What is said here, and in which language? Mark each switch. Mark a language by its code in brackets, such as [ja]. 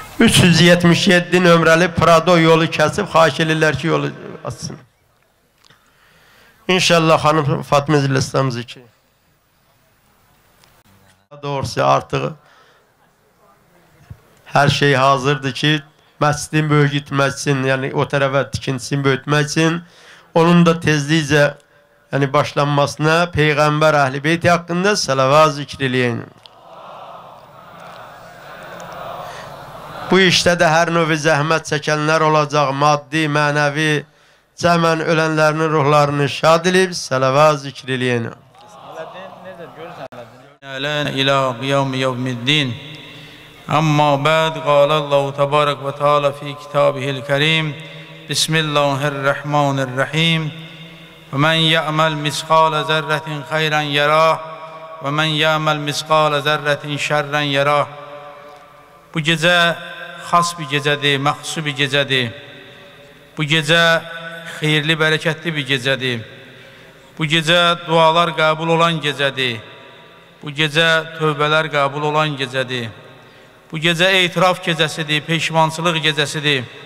[az] 377 nömrəli Prado yolu kesip. Xahiş edirlər ki yolu açsın. İnşallah hanım Fatma Zillistamız için. Doğrusu artık. Her şey hazırdı ki məscidin böyütməsin, yani o tərəfə tikintisini böyütməsin. Onun da tezliklə yani başlanmasına Peygamber Ahl-i Beyt hakkında salavat zikriliyin. Bu işte de her növü zəhmət çəkənlər olacaq, maddi, mənəvi, cəmən ölənlərin ruhlarını şad edib salavat zikriliyin. Aladdin nedir? Görürsən Aladdin. [ar] İlâ qiyam-ı yevmiddin. أما بعد قال الله تبارك وتعالى في كتابه الكريم بسم الله الرحمن الرحيم ومن يعمل مثقال ذرة خيرا يراه ومن يعمل مثقال ذرة شرا يراه. [az] Bu gece xas bir gecədir, məxsus bir gecədir. Bu gecə xeyirli, bərəkətli bir gecədir. Bu gecə dualar qəbul olan gecədir. Bu gecə tövbələr qəbul olan gecədir. Bu gecə etiraf gecəsidir, peşmançılıq gecəsidir.